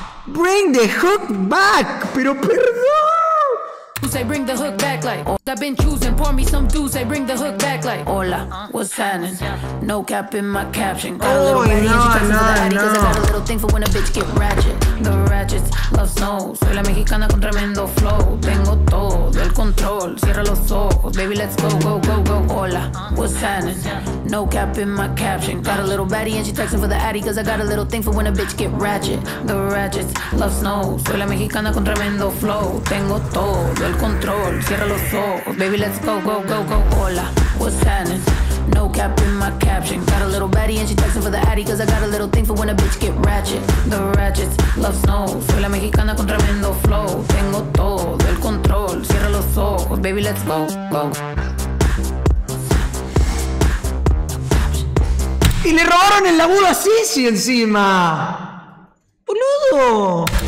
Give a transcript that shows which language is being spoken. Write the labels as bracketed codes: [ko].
[en] bring the hook back, [es] pero perdón. [en] I bring the hook back like I've been choosing. Pour me some juice, I bring the hook back like hola, what's happening? No cap in my caption. Got a little oh, baddie no, and she texting no, for the addy, no. Cause I got a little thing for when a bitch get ratchet. The ratchets love snow. [es] Soy la mexicana con tremendo flow. Tengo todo el control. Cierra los ojos, [en] baby, let's go, go, go, go. Hola, what's happening? No cap in my caption. Got a little baddie and she texting for the addy, cause I got a little thing for when a bitch get ratchet. The ratchets love snow. [es] Soy la mexicana con tremendo flow. Tengo todo el control, cierra los ojos, [en] baby, let's go, go, [es] go, go. [en] Hola, what's happening? No cap in my caption. Got a little baddie and she texting for the addy, cause I got a little thing for when a bitch get ratchet. The ratchets love snow. [es] Soy la mexicana con tremendo flow. Tengo todo el control, cierra los ojos, [en] baby, let's go, go. [es] Y le robaron el agudo a Sissi encima, boludo.